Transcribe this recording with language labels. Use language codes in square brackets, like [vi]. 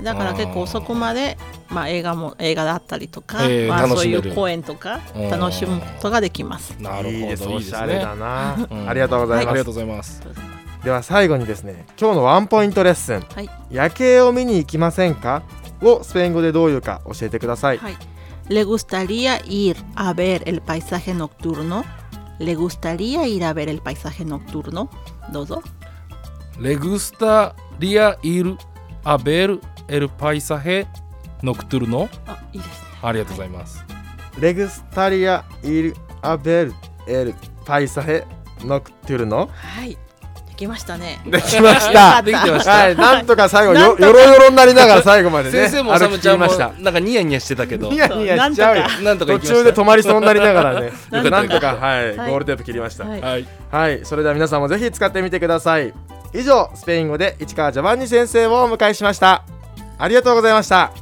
[ja] だから結構そこまで、まあ、映画だったりとか、まあ、そういう公演とか楽しむことができます。なるほど、いいです、おしゃれだな。ありがとうございます、はい、ありがとうございます。では最後にですね、今日のワンポイントレッスン、はい、夜景を見に行きませんかをスペイン語でどういうか教えてください、 [es] はい、Le gustaría ir a ver el paisaje nocturno? Le gustaría ir a ver el paisaje nocturno? [ja] どうぞ。 [es] Le gustaría ir a ver el paisaje nocturno? [ja] あ、いいですね、ありがとうございます、はい、 [es] Le gustaría ir a ver el paisaje nocturno? [ja] はい、できましたね。できました。できてました、はい、なんとか最後よろよろになりながら最後までね、先生もサムちゃんもなんかニヤニヤしてたけど、ニヤニヤしちゃうよ。なんとか途中で止まりそうになりながらね、なんとか、はい、ゴールテープ切りました。はい、はいはい、それでは皆さんもぜひ使ってみてください。以上、スペイン語で市川ジョバンニ先生をお迎えしました。ありがとうございました。